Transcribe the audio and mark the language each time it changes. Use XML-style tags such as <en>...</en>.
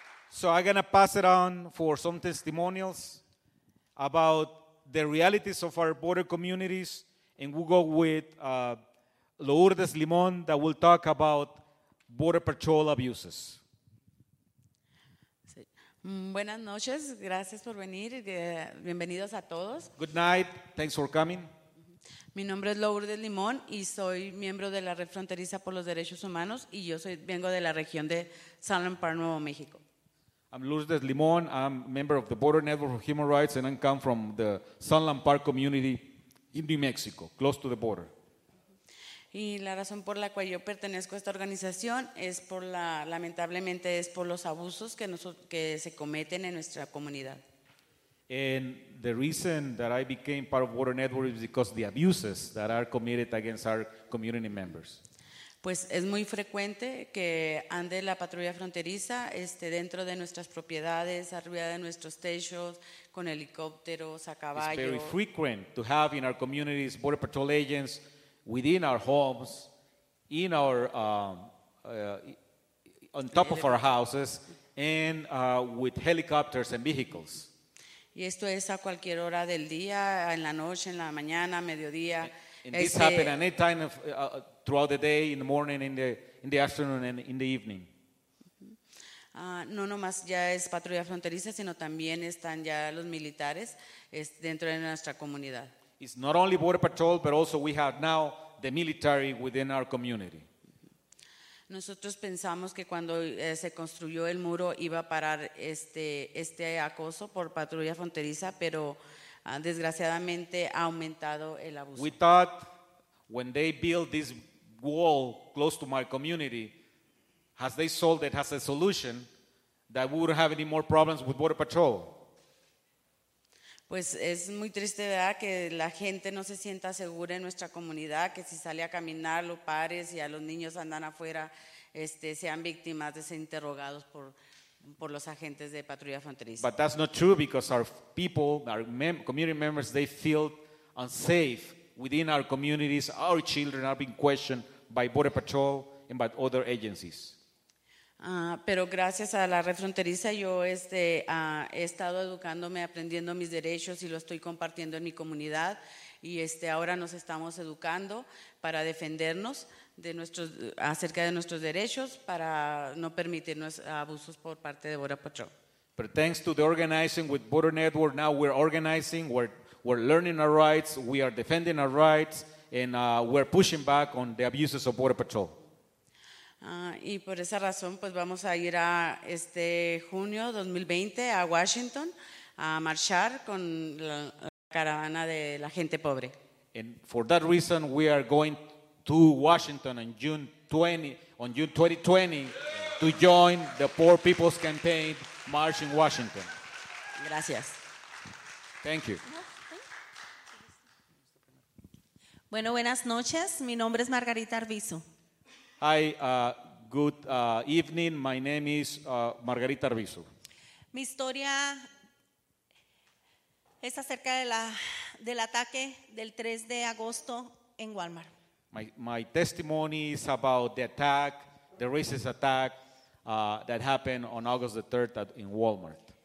<en>So I'm going to pass it on for some testimonials about the realities of our border communities, and we'll go with Lourdes Limon that will talk about Border Patrol abuses.</en> <es>Buenas noches, gracias por venir, bienvenidos a todos.</es> <en>Good night, thanks for coming.</en> <es>Mi nombre es Lourdes Limón y soy miembro de la Red Fronteriza por los Derechos Humanos y yo soy vengo de la región de San Lampar, Nuevo México.</es> <en>I'm Lourdes Limón, I'm a member of the Border Network for Human Rights and I come from the San Lampar community in New Mexico, close to the border.</en> <es>Y la razón por la cual yo pertenezco a esta organización es por la, lamentablemente, es por los abusos que, que se cometen en nuestra comunidad.</es> <en>And the reason that I became part of Border Network is because of the abuses that are committed against our community members.</en> <es>Pues es muy frecuente que ande la patrulla fronteriza dentro de nuestras propiedades, arriba de nuestros techos, con helicópteros, a caballo.</es> <en>It's very frequent to have in our communities Border Patrol agents within our homes, in our on top of our houses, and with helicopters and vehicles.</en> <es>Y esto es a cualquier hora del día, en la noche, en la mañana, mediodía.</es> <en>And this happened at any time of, throughout the day, in the morning, in the afternoon, and in the evening.</en> <es>No nomás ya es patrulla fronteriza, sino también están ya los militares dentro de nuestra comunidad.</es> <en>It's not only Border Patrol, but also we have now the military within our community.</en> <es>Nosotros pensamos que cuando se construyó el muro iba a parar este acoso por patrulla fronteriza, pero desgraciadamente ha aumentado el abuso.</es> <en>We thought when they built this wall close to my community, as they sold it as a solution, that we wouldn't have any more problems with Border Patrol.</en> <es>Pues es muy triste, ¿verdad?, que la gente no se sienta segura en nuestra comunidad, que si sale a caminar los padres y a los niños andan afuera, sean víctimas de ser interrogados por los agentes de patrulla fronteriza.</es> <en>But that's not true because our people, our community members, they feel unsafe within our communities. Our children are being questioned by Border Patrol and by other agencies.</en> <es>Pero gracias a la Red Fronteriza yo he estado educándome, aprendiendo mis derechos y lo estoy compartiendo en mi comunidad y ahora nos estamos educando para defendernos de acerca de nuestros derechos para no permitirnos abusos por parte de Border Patrol.</es> <en>But thanks to the organizing with Border Network, now we're organizing, we're learning our rights, we are defending our rights and we're pushing back on the abuses of Border Patrol.</en> <es>Y por esa razón, pues vamos a ir a junio 2020 a Washington a marchar con la caravana de la gente pobre.</es> <en>And for that reason, we are going to Washington on June 2020 to join the Poor People's Campaign March in Washington.</en> <es>Gracias.</es> <en>Thank you.</en> <es>Bueno, buenas noches. Mi nombre es Margarita Arvizu.</es> <en>Hi, good evening. My name is Margarita Arvizu.</en> <es>Mi historia es acerca de del ataque del 3 de agosto en Walmart.</es> <en>My testimony is about the attack, the racist attack that happened on August the 3rd in Walmart.</en>